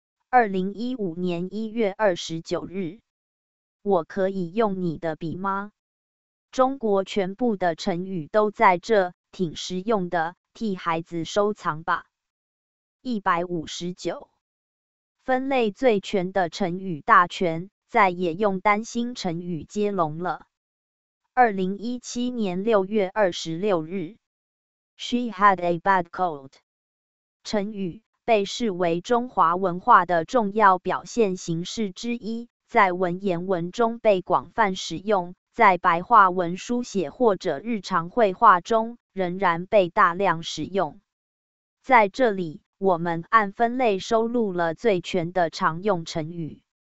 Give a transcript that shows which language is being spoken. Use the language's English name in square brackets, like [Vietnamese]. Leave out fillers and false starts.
[Chinese] 2015年1月29日。我可以用你的笔吗？中国全部的成语都在这，挺实用的，替孩子收藏吧。 159。分类最全的成语大全，再也用担心成语接龙了。 2017年6月26日。 [English] She had a bad cold. [Chinese] 成语，被视为中华文化的重要表现形式之一，在文言文中被广泛使用，在白话文书写或者日常绘画中仍然被大量使用。在这里，我们按分类收录了最全的常用成语。